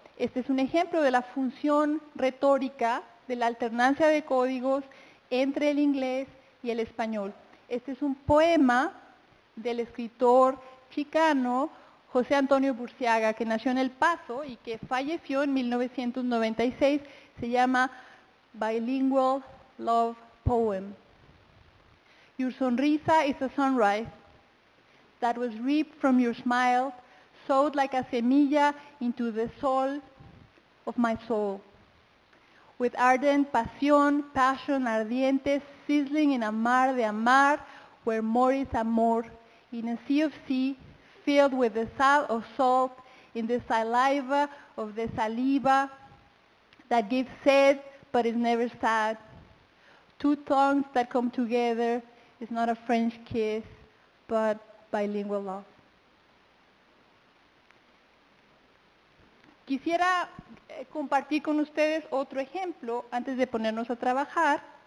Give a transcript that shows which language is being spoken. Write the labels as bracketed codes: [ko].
[es] Este es un ejemplo de la función retórica de la alternancia de códigos entre el inglés y el español. Este es un poema del escritor chicano José Antonio Burciaga, que nació en El Paso y que falleció en 1996, se llama Bilingual Love Poem. [en] Your sonrisa is a sunrise that was reaped from your smile, sowed like a semilla into the soul of my soul. With ardent passion ardiente, sizzling in a [es] mar de amar, [en] where more is amor, in a sea of sea, filled with the salt of salt, in the saliva of the saliva that gives sed but is never sad. Two tongues that come together is not a French kiss, but bilingual love. [es] Quisiera compartir con ustedes otro ejemplo antes de ponernos a trabajar.